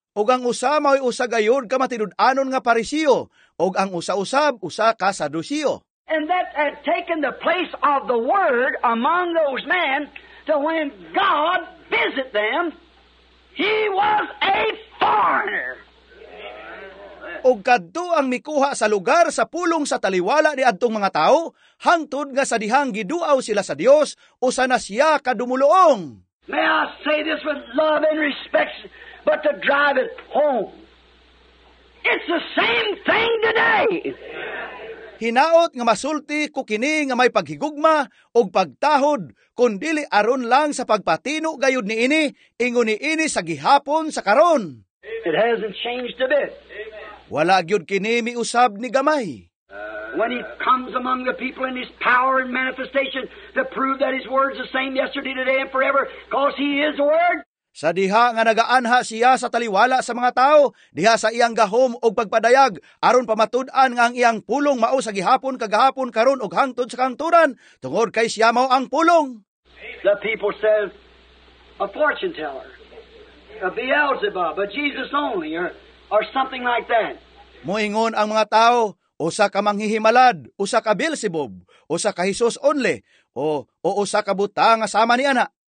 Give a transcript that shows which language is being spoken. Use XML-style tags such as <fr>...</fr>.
<ceb>Og ang usa mao'y usa gayod ka matinud-anon nga Pariseo, og ang usa-usab usa ka Saduceo.</ceb> <en>And that had taken the place of the word among those men, to when God visit them, he was a foreigner.</en> <ceb>Og kadto ang mikuha sa lugar sa pulong sa taliwala ni adtong mga tao, hangtod nga sa dihang giduaw sila sa Dios, usa na siya kadumuloong.</ceb> <en>May I say this with love and respect, but to drive it home. It's the same thing today.</en> <ceb>Hinaot nga masulti ko kini nga may paghigugma og pagtahod kundili aron lang sa pagpatino gayud niini ingon niini sa gihapon sa karon.</ceb> <en>It hasn't changed a bit.</en> <ceb>Wala gyud kini mi usab ni gamay.</ceb> <en>When he comes among the people in his power and manifestation to prove that his word is the same yesterday, today, and forever, because he is the word.</en> <ceb>Sa diha nga nagaanha siya sa taliwala sa mga tao, diha sa iyang gahom o pagpadayag, aron pamatud-an nga ang iyang pulong mao sa gihapon, kagahapon, karon o hangtod sa kangturan, tungod kay siya mao ang pulong.</ceb> <en>The people said, a fortune teller, a Beelzebub, a Jesus only, or something like that.</en> <ceb>Muingon ang mga tao, usa ka manghihimalad, usa ka Beelzebub, usa ka Jesus only, o usa ka butang asama ni ana.</ceb>